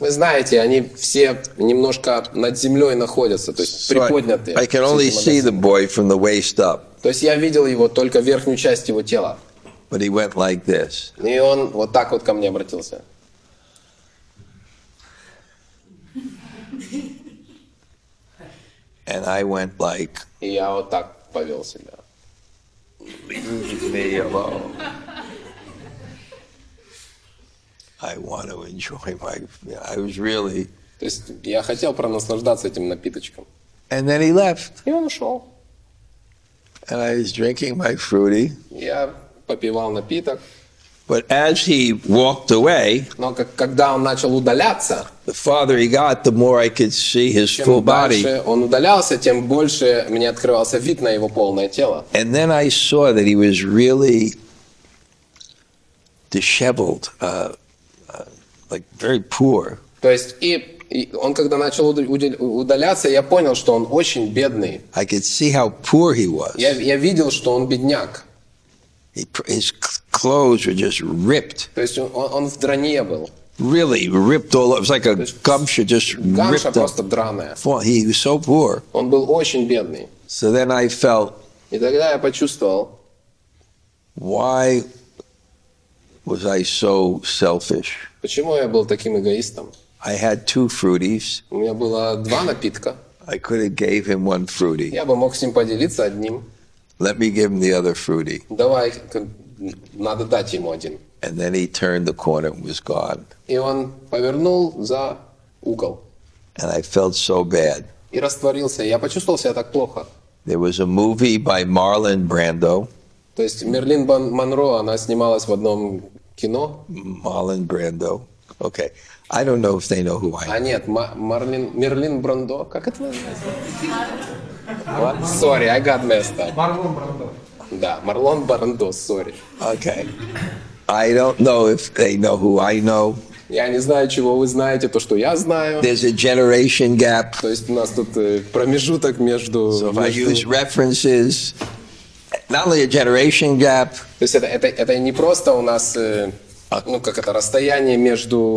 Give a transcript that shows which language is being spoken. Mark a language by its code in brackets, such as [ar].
[ru] Вы знаете, они все немножко над землей находятся, то есть приподняты. [en] I can only see the boy from the waist up. [ru] То есть я видел его только верхнюю часть его тела. [en] But he went like this. [ru] И он вот так вот ко мне обратился. [en] And I went like. [ru] И я вот так повел себя. [en] Leave me alone. I want to enjoy my. I was really. [ru] То есть я хотел пронаслаждаться этим напиточком. [en] And then he left. [ru] И он ушел. [en] And I was drinking my fruity. [ru] Я попивал напиток. [en] But as he walked away. [ru] Но когда он начал удаляться. [en] The farther he got, the more I could see his full body. [ru] Чем дальше он удалялся, тем больше мне открывался вид на его полное тело. [en] And then I saw that he was really disheveled, like very poor. [ru] То есть и он когда начал удаляться, я понял, что он очень бедный. [en] I could see how poor he was. [ru] Я видел, что он бедняк. [en] His clothes were just ripped. [ru] То есть он в дране был. [en] Really ripped all over. It was like a gumshoe just ripped. [ru] Просто драная. [en] He was so poor. [ru] Он был очень бедный. [en] So then I felt. [ru] И тогда я почувствовал. [en] Why was I so selfish? [ru] Почему я был таким эгоистом? [en] I had two fruities. [ru] У меня было два напитка. [en] I could have gave him one fruity. [ru] Я бы мог с ним поделиться одним. [en] Let me give him the other fruity. [ru] Давай, надо дать ему один. [en] And then he turned the corner and was gone. [ru] И он повернул за угол. [en] And I felt so bad. [ru] и растворился. Я почувствовал себя так плохо. [en] There was a movie by Marlon Brando. [ru] То есть Мерлин Монро, она снималась в одном кино. [en] Marlon Brando. Okay. I don't know if they know who I am. [ru] А нет, Мерлин Брандо. Как это называется? [en] Sorry, I got messed up. Marlon Brando. [ru] Да, Marlon Brando, [en] sorry. Okay. I don't know if they know who I know. [ru] Я не знаю, чего вы знаете, то, что я знаю. [en] There's a generation gap. [ru] То есть у нас тут промежуток между... [en] So if I use references, not only a generation gap... [ru] То есть это не просто у нас... Ну, как это, расстояние между...